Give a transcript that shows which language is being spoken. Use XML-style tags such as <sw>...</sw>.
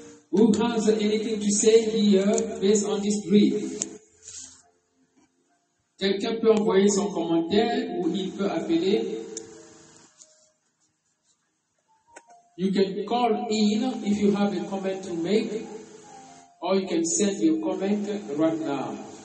<en>Who has anything to say here based on this brief?</en> <fr>Quelqu'un peut envoyer son commentaire ou il peut appeler.</fr> <en>You can call in if you have a comment to make, or you can send your comment right now.</en>